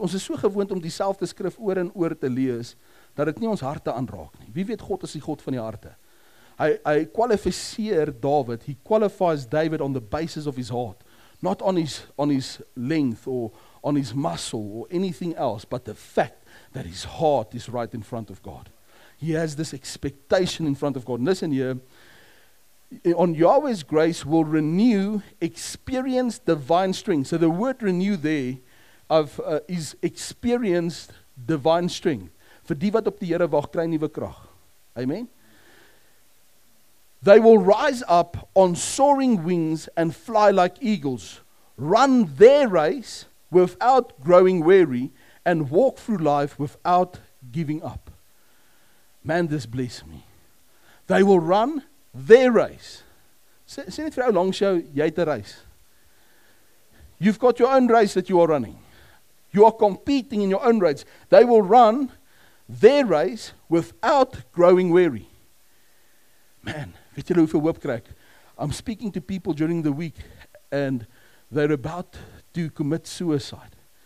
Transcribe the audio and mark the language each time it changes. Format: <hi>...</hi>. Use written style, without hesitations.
<af>Ons is so gewoond om dieselfde skrif oor en oor te lees dat dit nie ons harte aanraak nie. Wie weet, God is die God van die harte. Hy kwalifiseer David.</af> <en>He qualifies David on the basis of his heart, not on his length or on his muscle or anything else, but the fact that his heart is right in front of God. He has this expectation in front of God. And listen here, on Yahweh's grace will renew, experience divine strength. So the word renew there is experienced divine strength.</en> <af>Vir die wat op die Here wag, kry nuwe krag. Amen.</af> <en>They will rise up on soaring wings and fly like eagles, run their race without growing weary, and walk through life without giving up. Man, this bless me. They will run their race.</en> <af>Sê net vir jou long show, jy het 'n race.</af> <en>You've got your own race that you are running. You are competing in your own race. They will run their race without growing weary.</en> <af>Man, weet julle hoeveel hoop kry ek?</af> <en>I'm speaking to people during the week and they're about to commit suicide.</en>